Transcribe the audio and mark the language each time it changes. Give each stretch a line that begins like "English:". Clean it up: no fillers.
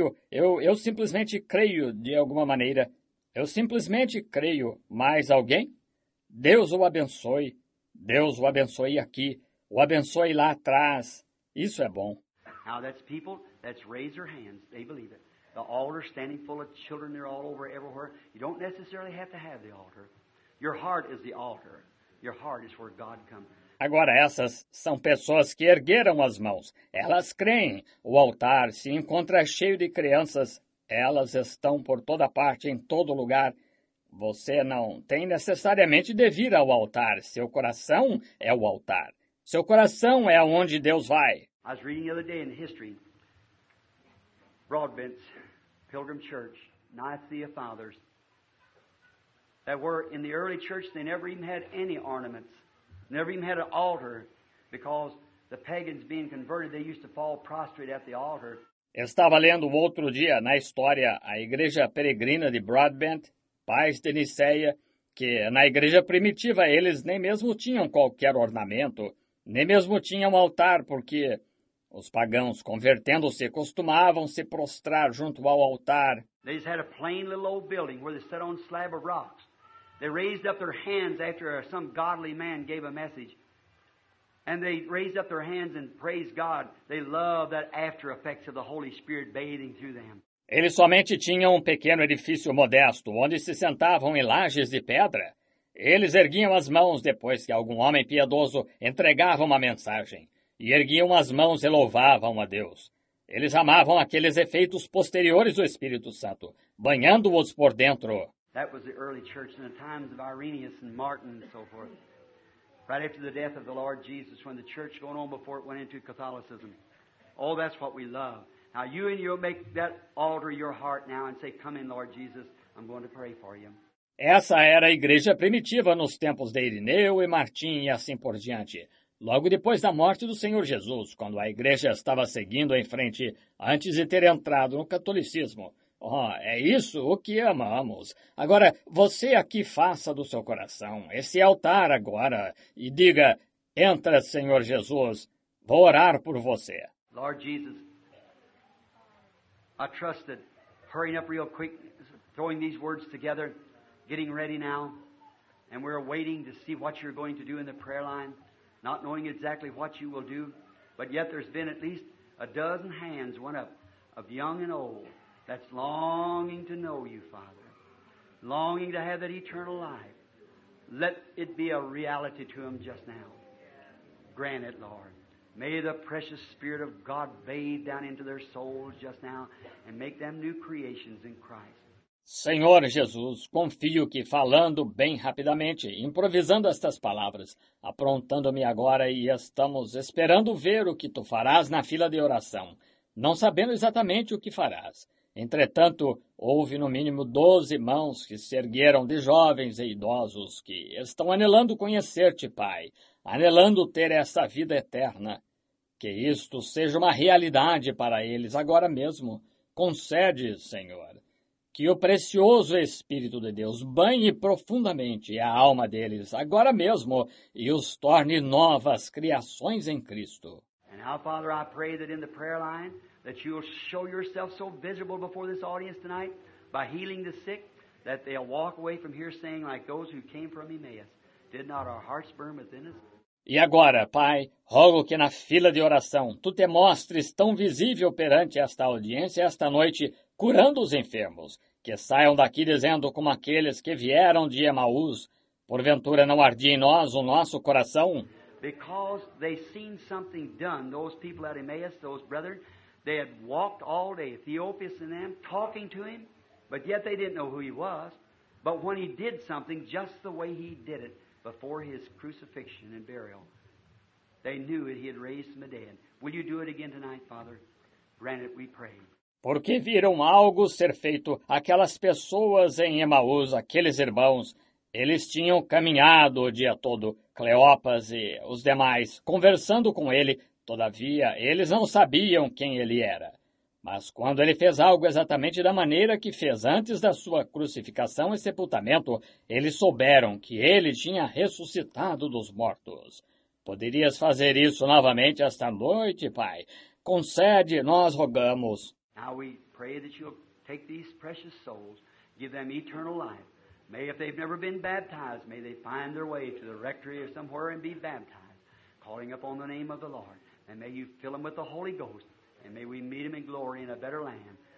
Portuguese: Eu simplesmente creio de alguma maneira. Eu simplesmente creio. Mais alguém? Deus o abençoe. Deus o abençoe aqui, o abençoe lá atrás. Isso é bom.
English: Now that's people, that's raise their hands. They believe it. The altar standing full of children, they're all over everywhere. You don't necessarily have to have the altar. Your heart is the altar. Your heart is where God comes.
Portuguese: Agora essas são pessoas que ergueram as mãos. Elas creem. O altar se encontra cheio de crianças. Elas estão por toda parte, em todo lugar. Você não tem necessariamente de vir ao altar. Seu coração é o altar. Seu coração é onde Deus vai.
English: I was reading the other day in history. Broadbent's Pilgrim Church, Nicaea Fathers. That were in the early church, they never even had any ornaments. Never even had an altar, because the pagans being converted, they used to fall prostrate at the altar.
Portuguese: Estava lendo outro dia na história a igreja peregrina de Broadbent, pais de Nicéia, que na igreja primitiva eles nem mesmo tinham qualquer ornamento, nem mesmo tinham altar, porque os pagãos convertendo-se costumavam se prostrar junto ao altar.
English: They just had a plain little old building where they sat on a slab of rocks. They raised up their hands after some godly man gave a message. And they raised up their hands and praised God. They loved that after effects of the Holy Spirit bathing through them.
Portuguese: Eles somente tinham um pequeno edifício modesto, onde se sentavam em lajes de pedra. Eles erguiam as mãos depois que algum homem piedoso entregava uma mensagem. E erguiam as mãos e louvavam a Deus. Eles amavam aqueles efeitos posteriores do Espírito Santo, banhando-os por dentro.
English: That was the early church in the times of Irenaeus and Martin and so forth. Right after the death of the Lord Jesus, when the church going on before it went into Catholicism. Oh, that's what we love. Now you and you make that altar your heart now and say, come in, Lord Jesus, I'm going to pray for you.
Portuguese: Essa era a igreja primitiva nos tempos de Irineu e Martim e assim por diante. Logo depois da morte do Senhor Jesus, quando a igreja estava seguindo em frente, antes de ter entrado no catolicismo. Oh, é isso o que amamos. Agora, você aqui faça do seu coração esse altar agora e diga, entra, Senhor Jesus, vou orar por você.
English: Lord Jesus, I trusted, hurrying up real quick, throwing these words together, getting ready now, and we're waiting to see what you're going to do in the prayer line, not knowing exactly what you will do, but yet there's been at least a dozen hands went up, of young and old, that's longing to know you, Father, longing to have that eternal life. Let it be a reality to them just now. Grant it, Lord. May the precious Spirit of God bathe down into their souls just now and make them new creations in Christ.
Portuguese: Senhor Jesus, confio que falando bem rapidamente, improvisando estas palavras, aprontando-me agora e estamos esperando ver o que tu farás na fila de oração, não sabendo exatamente o que farás. Entretanto, houve no mínimo 12 mãos que se ergueram de jovens e idosos que estão anelando conhecer-te, Pai, anelando ter essa vida eterna. Que isto seja uma realidade para eles agora mesmo. Concede, Senhor, que o precioso Espírito de Deus banhe profundamente a alma deles agora mesmo e os torne novas criações em Cristo.
English: And now, Father, I pray that in the prayer line that you'll show yourself so visible before this audience tonight by healing the sick that they'll walk away from here saying, like those who came from Emmaus, did not our hearts burn within us?
Portuguese: E agora, Pai, rogo que na fila de oração Tu te mostres tão visível perante esta audiência esta noite, curando os enfermos, que saiam daqui dizendo como aqueles que vieram de Emaús, porventura não ardia em nós o nosso coração?
English: Because they seen something done, those people at Emmaus, those brethren, they had walked all day, Theophilus and them, talking to him, but yet they didn't know who he was. But when he did something, just the way he did it, before his crucifixion and burial, they knew that he had raised from the dead. Will you do it again tonight, Father? Grant it, we pray.
Portuguese: Porque viram algo ser feito aquelas pessoas em Emaús, aqueles irmãos. Eles tinham caminhado o dia todo, Cleopas e os demais, conversando com ele. Todavia, eles não sabiam quem ele era. Mas quando ele fez algo exatamente da maneira que fez antes da sua crucificação e sepultamento, eles souberam que ele tinha ressuscitado dos mortos. Poderias fazer isso novamente esta noite, Pai? Concede, nós rogamos.
English: Now we pray that you'll take these precious souls, give them eternal life. May, if they've never been baptized, may they find their way to the rectory or somewhere and be baptized, calling upon the name of the Lord. And may you fill them with the Holy Ghost, and may we meet them in glory in a better land.